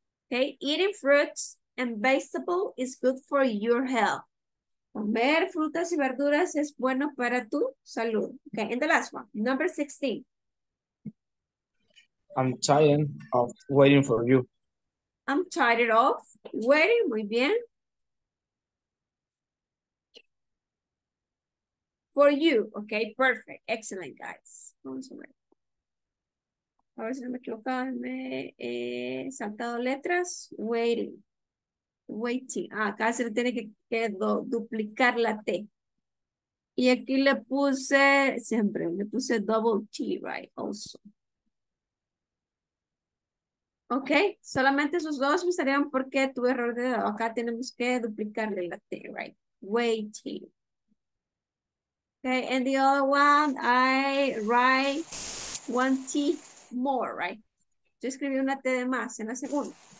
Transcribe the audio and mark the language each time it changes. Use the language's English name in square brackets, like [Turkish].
[English] Okay, eating fruits and vegetables is good for your health. [Spanish] Comer frutas y verduras es bueno para tu salud. [English] Okay, and the last one, number 16. I'm tired of waiting for you. I'm tired of waiting, muy bien. For you, okay, perfect. Excellent, guys. Vamos a ver. [Spanish] A ver si no me equivoco, me he saltado letras. Waiting. Ah, acá se le tiene que duplicar la T. Y aquí le puse, siempre, le puse double T, right, also. Ok, solamente esos dos me salieron porque tu error de dedo. Acá tenemos que duplicarle la T, right? Waiting. [English] Ok, and the other one, I write one T more, right? [Spanish] Yo escribí una T de más en la segunda.